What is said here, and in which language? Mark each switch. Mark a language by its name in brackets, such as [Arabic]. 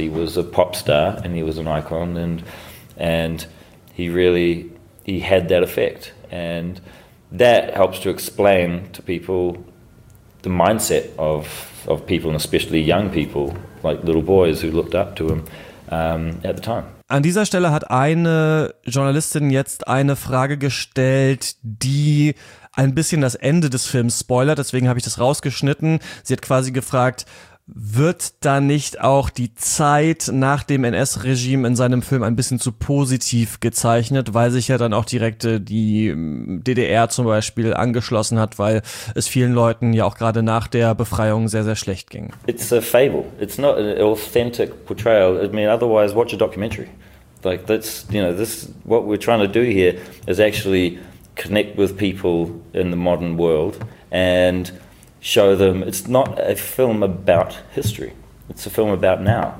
[English] He was a pop star and he was an icon, and he had that effect. And that helps to explain to people the mindset of people, and especially young people, like little boys who looked up to him at the time. [German] An dieser Stelle hat eine Journalistin jetzt eine Frage gestellt, die ein bisschen das Ende des Films spoilert, deswegen habe ich das rausgeschnitten. Sie hat quasi gefragt, wird da nicht auch die Zeit nach dem NS-Regime in seinem Film ein bisschen zu positiv gezeichnet, weil sich ja dann auch direkt die DDR zum Beispiel angeschlossen hat, weil es vielen Leuten ja auch gerade nach der Befreiung sehr, sehr schlecht ging. [English] It's a fable. It's not an authentic portrayal. I mean, otherwise, watch a documentary. Like, that's, you know, this, what we're trying to do here is actually connect with people in the modern world and show them. It's not a film about history. It's a film about now.